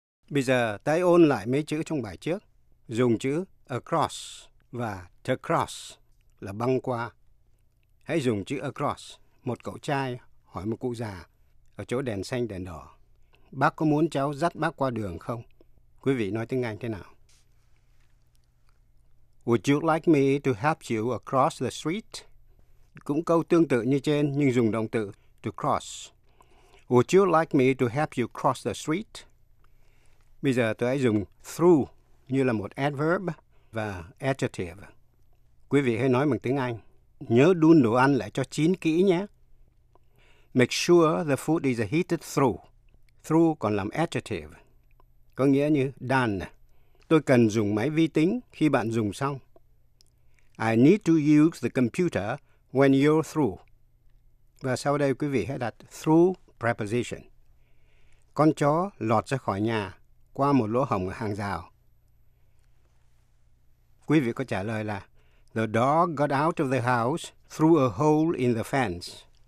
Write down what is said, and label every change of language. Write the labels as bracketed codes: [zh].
[vi] Bây giờ ta ôn lại mấy chữ trong bài trước. Dùng chữ across và to cross là băng qua. Hãy dùng chữ across. Một cậu trai hỏi một cụ già ở chỗ đèn xanh đèn đỏ: bác có muốn cháu dắt bác qua đường không? Quý vị nói tiếng Anh thế nào? [en] Would you like me to help you across the street? [vi] Cũng câu tương tự như trên nhưng dùng động từ to cross. [en] Would you like me to help you cross the street? [vi] Bây giờ tôi hãy dùng through như là một adverb và adjective. Quý vị hãy nói bằng tiếng Anh. Nhớ đun đồ ăn lại cho chín kỹ nhé. [en] Make sure the food is heated through. Through [vi] còn làm adjective, có nghĩa như [en] done. [vi] Tôi cần dùng máy vi tính khi bạn dùng xong. [en] I need to use the computer when you're through. [vi] Và sau đây quý vị hãy đặt through preposition. Con chó lọt ra khỏi nhà qua một lỗ hổng ở hàng rào. Quý vị có trả lời là [en] the dog got out of the house through a hole in the fence.